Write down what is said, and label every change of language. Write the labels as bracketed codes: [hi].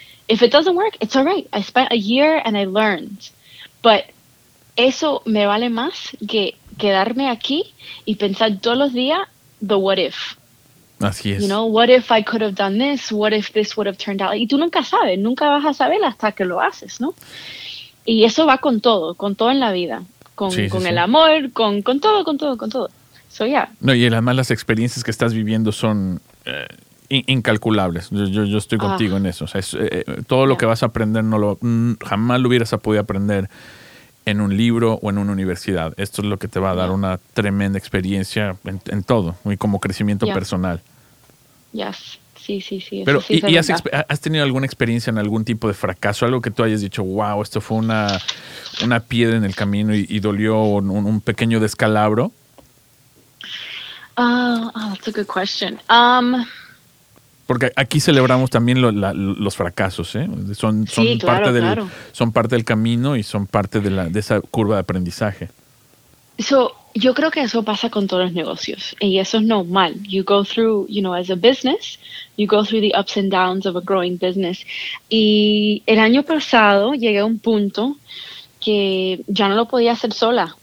[en] If it doesn't work, it's all right. I spent a year and I learned. [es] But eso me vale más que quedarme aquí y pensar todos los días [en] the what if. [es] Así es. [en] You know, what if I could have done this? What if this would have turned out? [es] Y tú nunca sabes, nunca vas a saber hasta que lo haces, ¿no? Y eso va con todo en la vida. El amor, con todo. [en] So, yeah. [es] No, y además las experiencias que estás viviendo son... incalculables. Yo estoy contigo en eso. O sea, todo lo que vas a aprender jamás lo hubieras podido aprender en un libro o en una universidad. Esto es lo que te va a dar una tremenda experiencia en todo, y como crecimiento personal. Sí. Pero, sí, ¿y has tenido alguna experiencia en algún tipo de fracaso? Algo que tú hayas dicho, wow, esto fue una piedra en el camino y dolió un pequeño descalabro. [en] That's a good question. [es] Porque aquí celebramos también los fracasos, ¿eh? Son parte del camino y son parte de esa curva de aprendizaje. So, yo creo que eso pasa con todos los negocios. Y eso es normal. [en] You go through, you know, as a business, you go through the ups and downs of a growing business. [es] Y el año pasado llegué a un punto que ya no lo podía hacer sola.